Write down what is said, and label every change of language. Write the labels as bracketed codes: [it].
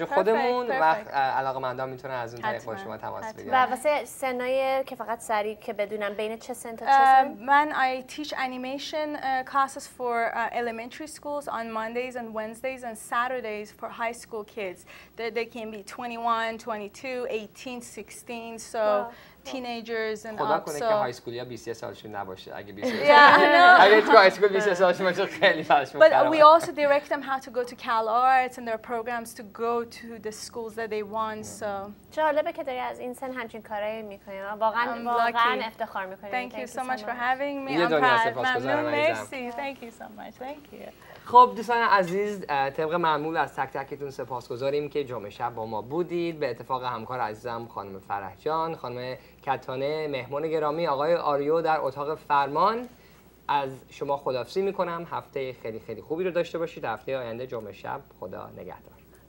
[en] Of [fa] خودمون و علاقه مندان میتونه از اون طریق با شما تماس بگیره. و واسه سنای که فقط سریع که بدونم بین چه سن تا چه سن؟ من [en] I teach animation classes for elementary schools on Mondays and Wednesdays and Saturdays for high school kids. They can be 21, 22, 18, 16. So teenagers and [fa] خدا کنه که های اسکولیا 23 سالشون نباشه اگه 23 سالشون اگه تو های اسکول 23 سالشون باشه خیلی فرش میکنه [en] but we also direct them how to go to Cal Arts and their programs to go to the schools that they want so [fa] جالبه که داری از این سن همچین کارهایی میکنی واقعا واقعا افتخار میکنی [en] thank you so much for having me [fa] یه دنیا سپاس گذارم [en] thank you so much [fa] خب دوستان عزیز طبق معمول از تک تکتون سپاسگزاریم که جمعه شب با ما بودید به اتفاق همکار عزیزم خانم فرح جان خانم کتانه مهمون گرامی آقای آریو در اتاق فرمان از شما خداحافظی میکنم هفته خیلی خیلی خوبی رو داشته باشید هفته آینده جمعه شب خدا نگهدار